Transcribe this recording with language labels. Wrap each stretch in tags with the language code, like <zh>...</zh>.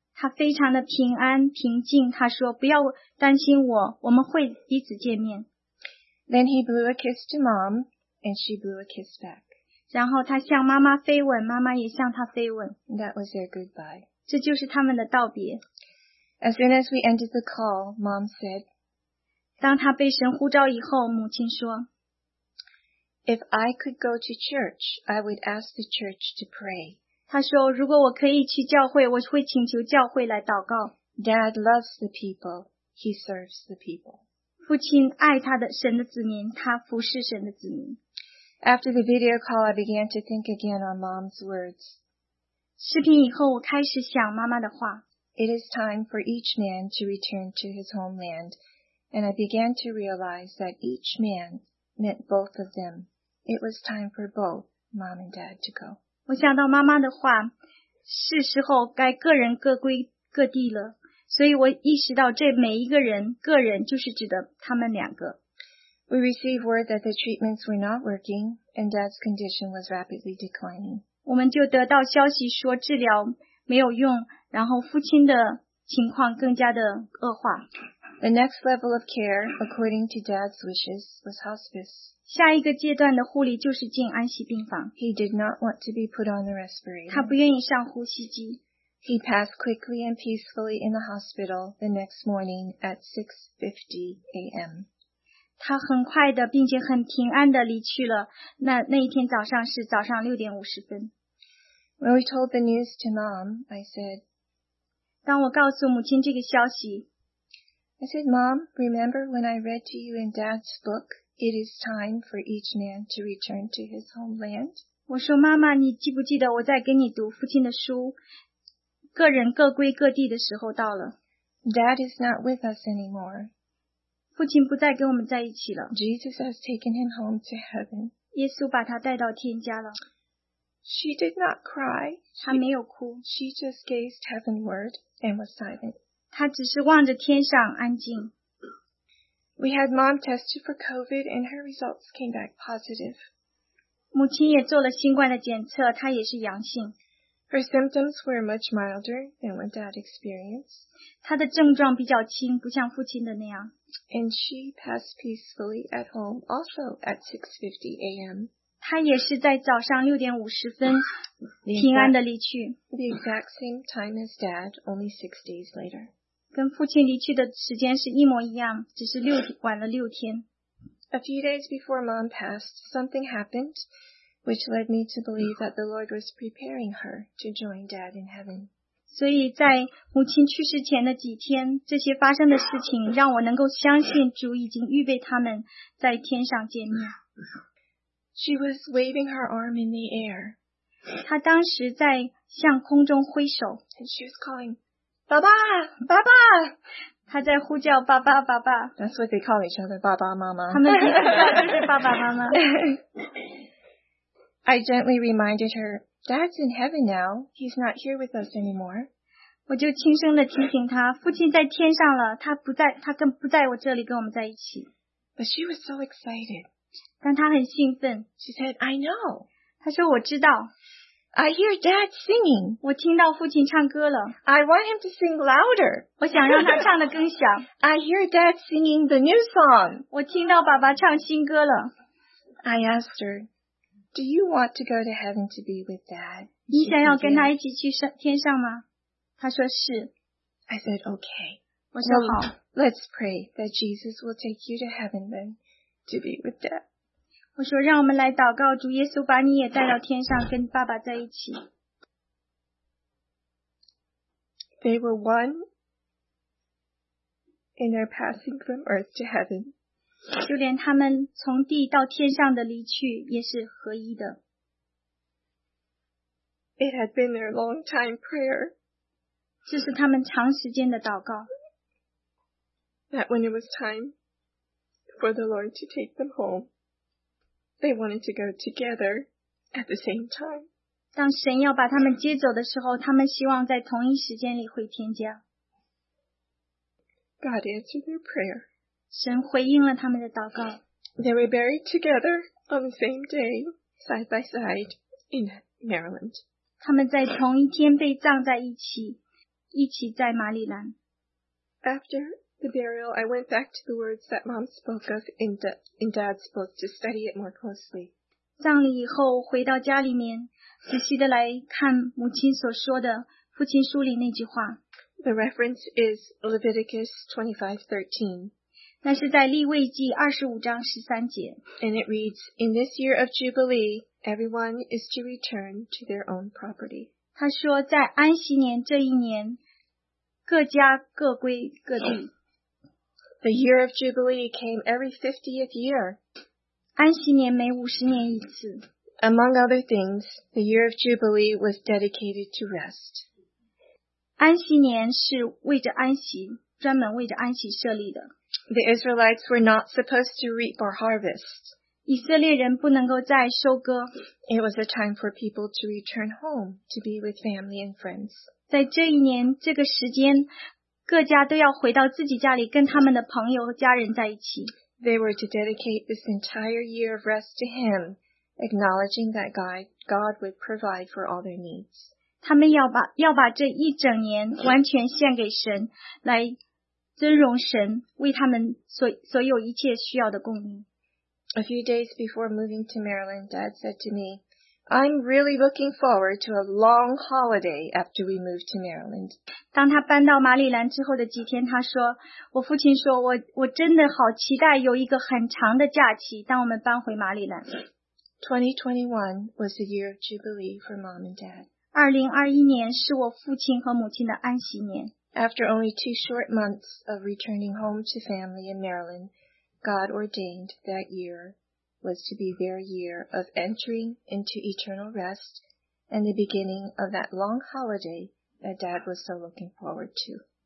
<zh>他非常的平安平静，他说不要担心我，我们会彼此见面。</zh> <en>Then he blew a kiss to mom, and she blew a kiss back.</en> <zh>然后他向妈妈飞吻，妈妈也向他飞吻。</zh> <en>That was their goodbye.</en> <zh>这就是他们的道别。</zh> <en>As soon as we ended the call, mom said,</en> <zh>当他被神呼召以后，母亲说，</zh> <en>If I could go to church, I would ask the church to pray.</en> <zh>他说，如果我可以去教会，我会请求教会来祷告。</zh> <en>Dad loves the people. He serves the people.</en> <zh>父亲爱他的神的子民，他服侍神的子民。</zh> <en>After the video call, I began to think again on Mom's words.</en> <zh>视频以后，我开始想妈妈的话。</zh> <en>It is time for each man to return to his homeland. And I began to realize that each man... meant both of them. It was time for both mom and dad to go.</en> <zh>我想到妈妈的话，是时候该各人各归各地了。所以我意识到这每一个人，个人就是指的他们两个。</zh> <en>We received word that the treatments were not working and dad's condition was rapidly declining.</en> <zh>我们就得到消息说治疗没有用，然后父亲的情况更加的恶化。</zh> <en>The next level of care, according to Dad's wishes, was hospice.</en> <zh>下一个阶段的护理就是进安息病房。</zh> <en>He did not want to be put on the respirator.</en> <zh>他不愿意上呼吸机。</zh> <en>He passed quickly and peacefully in the hospital the next morning at 6:50 a.m.</en> <zh>他很快的并且很平安的离去了。那一天早上是早上6:50。</zh> <en>When we told the news to Mom, I said,</en> <zh>当我告诉母亲这个消息，</zh> <en>I said, Mom, remember when I read to you in Dad's book, It is time for each man to return to his homeland?</en> <zh>我说妈妈，你记不记得我在给你读父亲的书，个人各归各地的时候到了。</zh> <en>Dad is not with us anymore.</en> <zh>父亲不再跟我们在一起了。</zh> <en>Jesus has taken him home to heaven.</en> <zh>耶稣把他带到天家了。</zh> <en>She did not cry.</en> <zh>她没有哭。</zh> <en>She just gazed heavenward and was silent.</en> <zh>他只是望着天上安静。</zh> <en>We had mom tested for COVID and her results came back positive.</en> <zh>母亲也做了新冠的检测，她也是阳性。</zh> <en>Her symptoms were much milder than what dad experienced.</en> <zh>她的症状比较轻，不像父亲的那样。</zh> <en>And she passed peacefully at home also at 6:50 a.m.</en> <zh>她也是在早上6:50平安的离去。</zh> <en>The exact same time as dad, only 6 days later.</en> <zh>跟父亲离去的时间是一模一样，只是晚了六天。</zh> <en>A few days before mom passed, something happened, which led me to believe that the Lord was preparing her to join dad in heaven.</en> <zh>所以在母亲去世前的几天，这些发生的事情让我能够相信主已经预备他们在天上见面。</zh> <en>She was waving her arm in the air.</en> <zh>他当时在向空中挥手。</zh> <en>And she was calling,</en> <zh>爸爸，爸爸。他在呼叫爸爸，爸爸。</zh> <en>That's what they call each other,</en> <zh>爸爸妈妈。他们彼此都是爸爸妈妈。</zh> <en>I gently reminded her, Dad's in heaven now. He's not here with us anymore.</en> <zh>我就轻声地提醒他，父亲在天上了，他不在，他更不在我这里跟我们在一起。</zh> <en>But she was so excited.</en> <zh>但她很兴奋。</zh> <en>She said, I know.</en> <zh>她说我知道。</zh> <en>I hear dad singing.</en> <zh>我听到父亲唱歌了。</zh> <en>I want him to sing louder.</en> <zh>我想让他唱得更响。</zh> <en>I hear dad singing the new song.</en> <zh>我听到爸爸唱新歌了。</zh> <en>I asked her, do you want to go to heaven to be with dad?</en> <zh>你想要跟他一起去天上吗？他说是。</zh> <en>I said, okay.</en> <zh>我说好。</zh> <en>Let's pray that Jesus will take you to heaven then to be with dad.</en> <zh>我说让我们来祷告主耶稣把你也带到天上跟爸爸在一起。</zh> <en>They were one in their passing from earth to heaven.</en> <zh>就连他们从地到天上的离去也是合一的。</zh> <en>It had been their long time prayer.</en> <zh>这是他们长时间的祷告。</zh> <en>That when it was time for the Lord to take them home, they wanted to go together at the same time.</en> <zh>当神要把他们接走的时候，他们希望在同一时间里回天家。</zh> <en>God answered their prayer.</en> <zh>神回应了他们的祷告。</zh> <en>They were buried together on the same day, side by side, in Maryland.</en> <zh>他们在同一天被葬在一起，一起在马里兰。</zh> <en>After the burial, I went back to the words that Mom spoke of in Dad's book to study it more closely.</en> <zh>葬礼以后回到家里面，仔细地来看母亲所说的父亲书里那句话。</zh> <en>The reference is Leviticus 25:13.</en> <zh>那是在利未记25:13.</zh> <en>And it reads, "In this year of Jubilee, everyone is to return to their own property."</en> <zh>他说，在安息年这一年，各家各归各地。</zh> <en>The year of Jubilee came every 50th year.</en> <zh>安息年每50年一次。</zh> <en>Among other things, the year of Jubilee was dedicated to rest.</en> <zh>安息年是为着安息，专门为着安息设立的。</zh> <en>The Israelites were not supposed to reap or harvest.</en> <zh>以色列人不能够再收割。</zh> <en>It was a time for people to return home to be with family and friends.</en> <zh>在这一年，这个时间各家都要回到自己家里跟他们的朋友和家人在一起。</zh> <en>They were to dedicate this entire year of rest to him, acknowledging that God would provide for all their needs.</en> <zh>他们要把这一整年完全献给神，来尊荣神为他们所有一切需要的供应。</zh> <en>A few days before moving to Maryland, Dad said to me, I'm really looking forward to a long holiday after we move to Maryland.</en> <zh>当他搬到马里兰之后的几天，他说，我父亲说，我真的好期待有一个很长的假期，当我们搬回马里兰。</zh> <en>2021 was the year of Jubilee for Mom and Dad.</en> <zh>2021年是我父亲和母亲的安息年。</zh> <en>After only 2 short months of returning home to family in Maryland, God ordained that year was to be their year of entering into eternal rest and the beginning of that long holiday that Dad was so looking forward to.</en>